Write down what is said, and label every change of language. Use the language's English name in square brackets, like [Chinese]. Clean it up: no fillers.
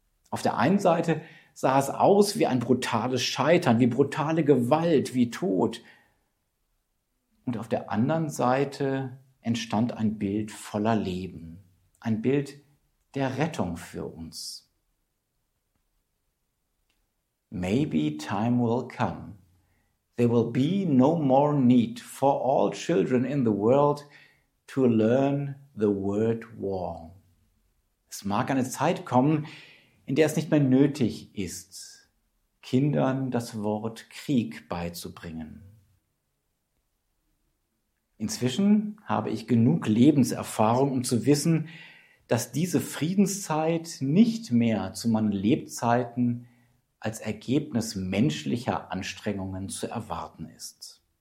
[German] Auf der einen Seite sah es aus wie ein brutales Scheitern, wie brutale Gewalt, wie Tod. Und auf der anderen Seite entstand ein Bild voller Leben, ein Bild der Rettung für uns. [English] Maybe time will come. There will be no more need for all children in the world to learn the word war. [German] Es mag eine Zeit kommen, in der es nicht mehr nötig ist, Kindern das Wort Krieg beizubringen. Inzwischen habe ich genug Lebenserfahrung, um zu wissen, dass diese Friedenszeit nicht mehr zu meinen Lebzeiten als Ergebnis menschlicher Anstrengungen zu erwarten ist.